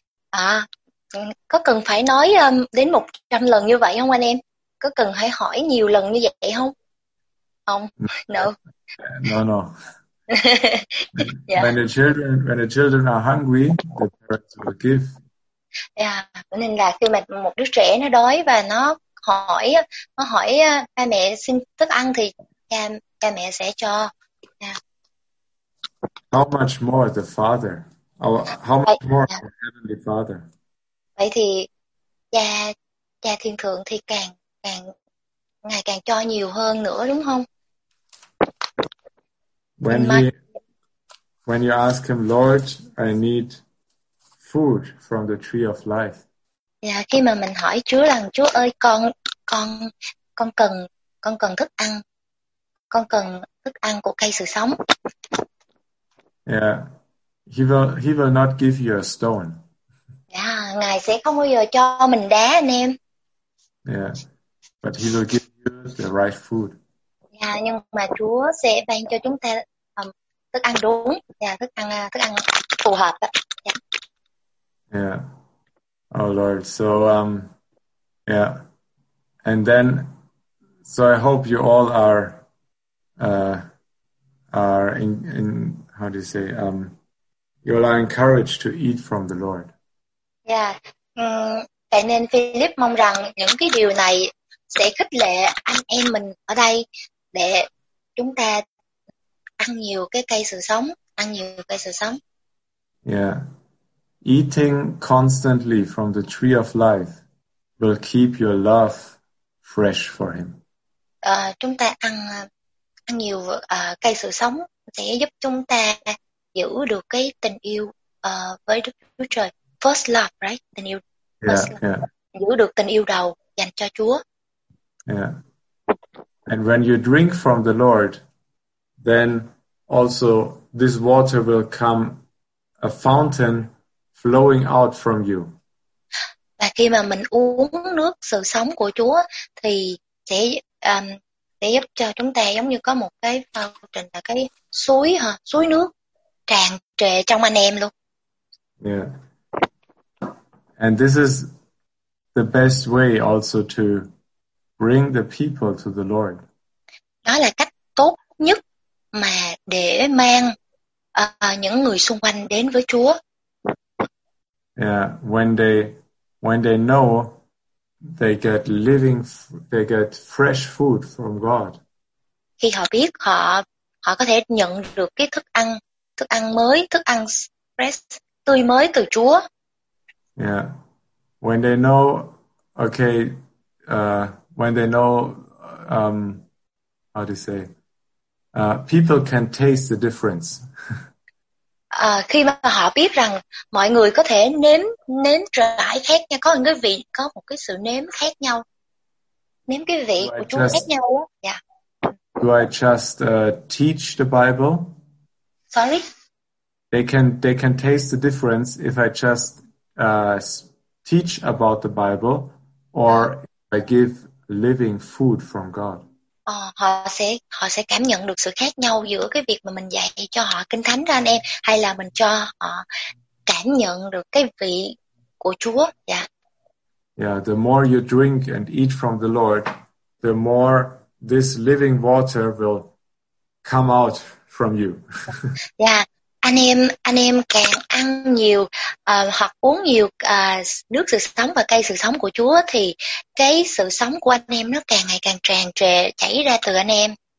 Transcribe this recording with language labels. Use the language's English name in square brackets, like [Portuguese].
[Vietnamese] À, có cần phải nói đến 100 lần như vậy không anh em? Có cần phải hỏi nhiều lần như vậy không? Không. No. [English] No. Yeah. When the children are hungry, the parents will give. [Vietnamese] Yeah, nên là khi mà một đứa trẻ nó đói và nó hỏi ba mẹ xin thức ăn thì cha mẹ sẽ cho. [English] Yeah. How much more the Father? How much more the Heavenly Father? [Vietnamese] Vậy thì cha thiên thượng thì càng ngày càng cho nhiều hơn nữa đúng không? [English] When you ask him, Lord, I need food from the tree of life. [Vietnamese] Yeah, khi mà mình hỏi Chúa rằng Chúa ơi con cần thức ăn. Con cần thức ăn của cây sự sống. [English] Yeah. He will not give you a stone. [Vietnamese] Yeah, Ngài sẽ không bao giờ cho mình đá anh em. [English] Yeah. But he will give you the right food. [Vietnamese] Yeah, nhưng mà Chúa sẽ ban cho chúng ta thức ăn đúng, thức ăn phù hợp. [English] Yeah. Yeah. Oh Lord, so yeah. And then, so I hope you all are encouraged to eat from the Lord. Yeah. [Vietnamese] Vậy nên Philip mong rằng những cái điều này sẽ khích lệ anh em mình ở đây để chúng ta ăn nhiều cái cây sự sống, ăn nhiều cây sự sống. [English] Yeah. Eating constantly from the tree of life will keep your love fresh for him. [Vietnamese] Chúng ta ăn nhiều cây sự sống sẽ giúp chúng ta giữ được cái tình yêu với Đức Chúa Trời. [English] First love, right? [Vietnamese] Tình yêu. [English] Yeah, yeah. [Vietnamese] Giữ được tình yêu đầu dành cho Chúa. [English] Yeah. And when you drink from the Lord, then also this water will come a fountain flowing out from you. [Vietnamese] Và khi mà mình uống nước sự sống của Chúa thì sẽ giúp cho chúng ta giống như có một cái phao trình là cái suối hả, suối nước tràn trề trong anh em luôn. [English] Yeah. And this is the best way also to bring the people to the Lord. [Vietnamese] Đó là cách tốt nhất mà để mang những người xung quanh đến với Chúa. [English] Yeah, when they know they get living, they get fresh food from God. [Vietnamese] Khi họ biết họ có thể nhận được cái thức ăn mới, thức ăn fresh, tươi mới từ Chúa. [English] Yeah. When they know people can taste the difference. [Vietnamese] Khi mà họ biết rằng mọi người có thể nếm trải khác nhau, có một cái vị, có một cái sự nếm khác nhau, nếm cái vị của Chúa khác nhau. [English] Yeah. Do I just teach the Bible? Sorry. They can taste the difference if I just teach about the Bible, or if I give living food from God. [Vietnamese] họ sẽ cảm nhận được sự khác nhau giữa cái việc mà mình dạy cho họ kinh thánh ra anh em, hay là mình cho họ cảm nhận được cái vị của Chúa. [English] Yeah, the more you drink and eat from the Lord, the more this living water will come out from you. [Vietnamese] Yeah, anh em càng ăn nhiều hoặc uống nhiều nước sự sống và cây sự sống của Chúa thì cái sự sống của anh em nó càng ngày càng tràn trề chảy ra từ anh em.